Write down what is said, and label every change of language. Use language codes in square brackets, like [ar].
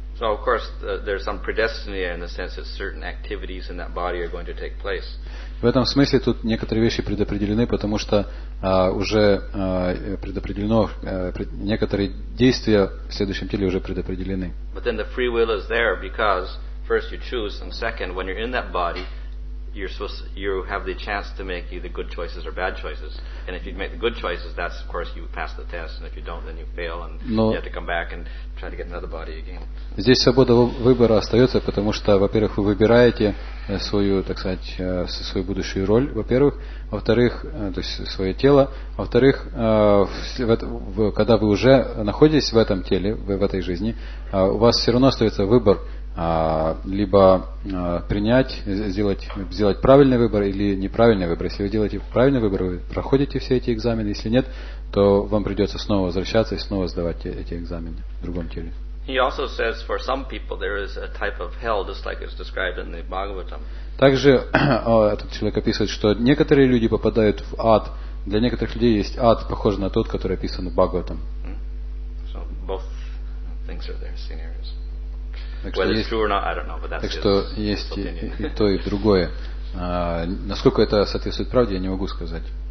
[en] So of course there's some predestiny in the sense that certain activities in that body are going to take place. [ru] В этом смысле тут некоторые вещи предопределены, потому что уже предопределено, некоторые действия в следующем теле уже предопределены. [en] But then the free will is there because first you choose, and second, when you're in that body, you're supposed to, you have the chance to make either good choices or bad choices. And if you make the good choices, that's of course you pass the test, and if you don't, then you fail, and you have to come back and try to get another body again. [ru] Здесь свобода выбора остается, потому что, во-первых, вы выбираете свою, так сказать, свою будущую роль, во-первых, во-вторых, то есть свое тело, во-вторых, когда вы уже находитесь в этом теле, в этой жизни, у вас все равно остается выбор. Либо принять, сделать правильный выбор или неправильный выбор. Если вы делаете правильный выбор, вы проходите все эти экзамены. Если нет, то вам придется снова возвращаться и снова сдавать эти экзамены в другом теле. [en] He also says for some people there is a type of hell, just like it's described in the Bhagavatam. [ru] Также этот человек описывает, что некоторые люди попадают в ад. Для некоторых людей есть ад, похожий на тот, который описан в Бхагаватам. [en] So both things are there, scenarios. Whether it's true or not, I don't know, but that's his opinion. [ru] Так что есть и то, и другое. Насколько это соответствует правде, я не могу сказать.